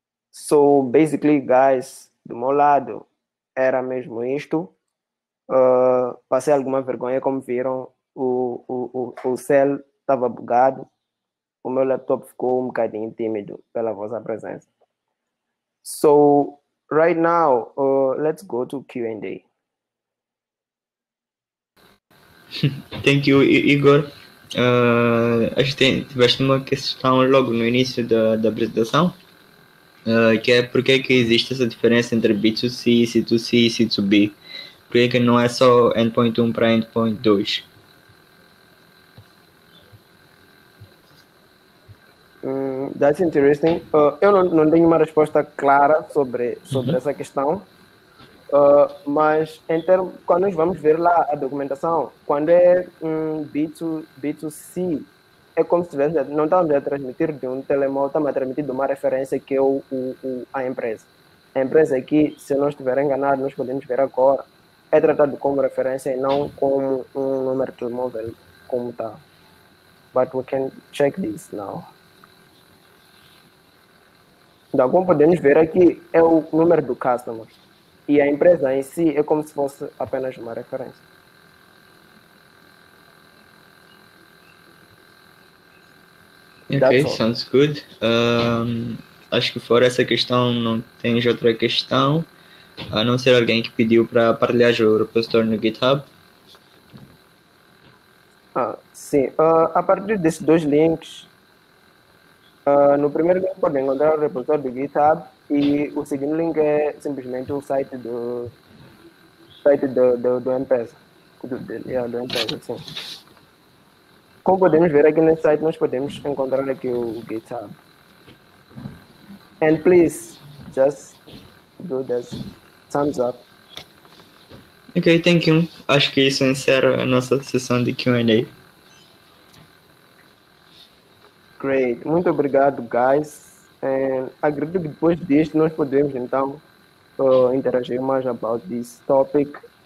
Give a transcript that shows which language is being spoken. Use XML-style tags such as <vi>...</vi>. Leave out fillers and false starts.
<pt>So, basically, guys, do meu lado, era mesmo isto. Passei alguma vergonha, como viram, o cell estava bugado. O meu laptop ficou um bocadinho tímido pela vossa presença.</pt> <en>So, right now, let's go to Q&A. Thank you, Igor.</en> <pt>Acho que tiveste uma questão logo no início da apresentação, que é por que existe essa diferença entre B2C, C2C e C2B? Por que não é só endpoint 1 para endpoint 2?</pt> <en>That's interesting.</en> <pt>Eu não tenho uma resposta clara sobre essa questão. Mas em termos, quando nós vamos ver lá a documentação, quando é B2C, é como se tivesse, não estamos a transmitir de um telemóvel, estamos a transmitir de uma referência que é a empresa. A empresa aqui, se eu não estiver enganado, nós podemos ver agora, é tratado como referência e não como um número de telemóvel como tal.</pt> <en>But we can check this now.</en> <pt>Então, como podemos ver aqui, é o número do customer. E a empresa em si é como se fosse apenas uma referência.</pt> <en>Ok, sounds good.</en> <pt>Acho que fora essa questão, não tens outra questão. A não ser alguém que pediu para partilhar o repositório no GitHub. Ah, sim. A partir desses dois links, no primeiro link pode encontrar o repositório do GitHub. E o segundo link é simplesmente o site do M-Pesa. Do M-Pesa, sim. Como podemos ver aqui nesse site, nós podemos encontrar aqui o GitHub.</pt> <en>And please, just do this thumbs up. Ok, thank you.</en> <pt>Acho que isso encerra a nossa sessão de Q&A. Great. Muito obrigado, guys. Acredito que depois disto nós podemos então interagir mais</pt> <en>about this topic.</en>